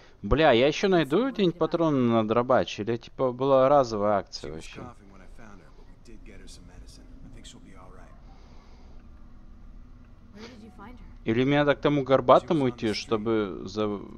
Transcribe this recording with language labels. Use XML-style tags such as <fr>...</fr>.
<ru>Бля, я еще найду какие-нибудь патроны на дробач? Или типа была разовая акция вообще?</ru> <en>She was coughing when I found her, but we did get her some medicine. I think she'll be all right. Where did you find her?</en> <ru>Или мне надо к тому горбатому идти, чтобы за...</ru>